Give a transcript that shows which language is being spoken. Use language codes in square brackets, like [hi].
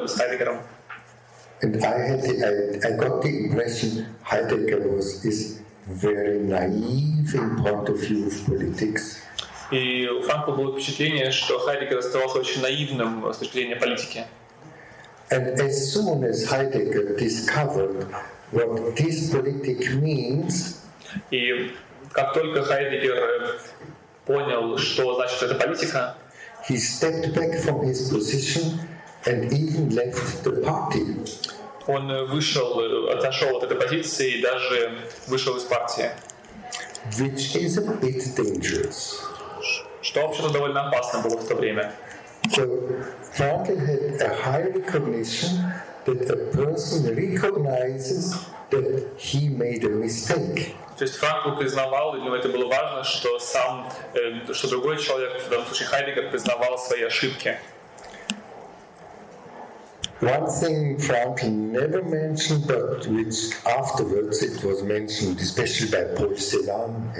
[en] And I got the impression Heidegger is very naive in point of view of politics. [ru] И у Франкла было впечатление, что Хайдеггер оставался очень наивным в осуществлении политики. [en] And as soon as Heidegger discovered what this politic means, [ru] и как только Хайдеггер понял, что значит эта политика, [en] he stepped back from his position and even left the party. [ru] Он вышел, отошел от этой позиции и даже вышел из партии. [en] Which is a bit dangerous. [ru] Что, в общем-то, довольно опасно было в то время. [en] So, Frankl had a high recognition that a person recognizes that he made a mistake. [ru] То есть Франкл признавал, и для него это было важно, что сам, что другой человек, в данном случае Хайдеггер, признавал свои ошибки. [en] One thing Franklin never mentioned, but which afterwards it was mentioned, especially by Paul Celan.